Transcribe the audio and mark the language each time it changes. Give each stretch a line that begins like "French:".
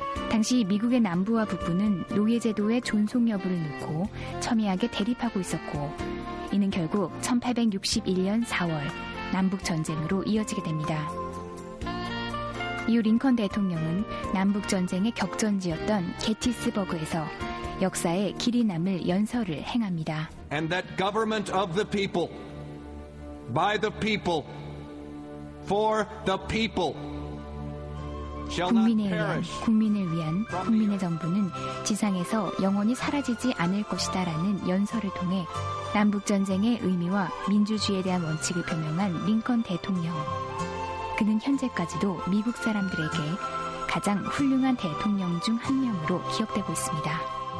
Korean: 당시 미국의 남부와 북부는 노예 제도의 존속 여부를 놓고 첨예하게 대립하고 있었고 이는 결국 1861년 4월 남북전쟁으로 이어지게 됩니다. 이후 링컨 대통령은 남북전쟁의 격전지였던 게티스버그에서 역사의 길이 남을 연설을 행합니다.
English: And that government of the people, by the people, for the people, shall not perish.
Korean: 국민을 위한, 국민을 위한 국민의 정부는 지상에서 영원히 사라지지 않을 것이다 라는 연설을 통해 남북전쟁의 의미와 민주주의에 대한 원칙을 표명한 링컨 대통령. 그는 현재까지도 미국 사람들에게 가장 훌륭한 대통령 중 한 명으로 기억되고 있습니다.